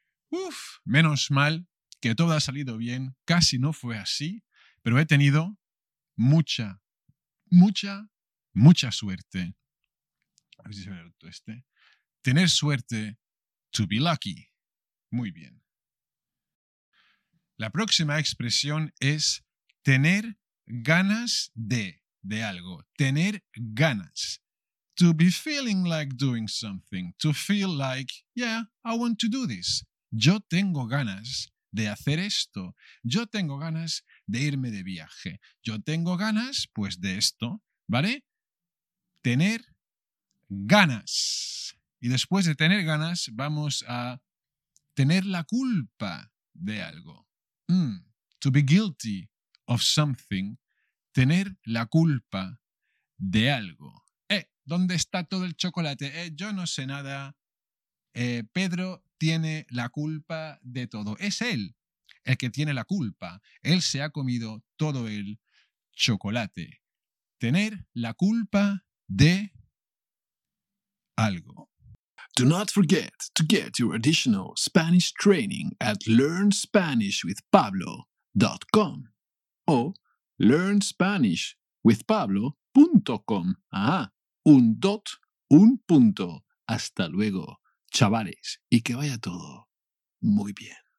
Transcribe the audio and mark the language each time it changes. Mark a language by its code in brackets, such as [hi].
[es] Uf, menos mal que todo ha salido bien. Casi no fue así, pero he tenido mucha, mucha, mucha suerte. A ver si se ve todo este. Tener suerte, [en] to be lucky. [es] Muy bien. La próxima expresión es tener ganas de algo. Tener ganas. [en] To be feeling like doing something. To feel like, yeah, I want to do this. [es] Yo tengo ganas de hacer esto. Yo tengo ganas de irme de viaje. Yo tengo ganas, pues, de esto, ¿vale? Tener ganas. Y después de tener ganas, vamos a tener la culpa de algo. Mm. [en] To be guilty of something. [es] Tener la culpa de algo. ¿Dónde está todo el chocolate? Yo no sé nada. Pedro tiene la culpa de todo. Es él el que tiene la culpa. Él se ha comido todo el chocolate. Tener la culpa de algo. [en] Do not forget to get your additional Spanish training at learnspanishwithpablo.com o learnspanishwithpablo.com. [es] Ajá, un dot, un punto. Hasta luego. Chavales, y que vaya todo muy bien.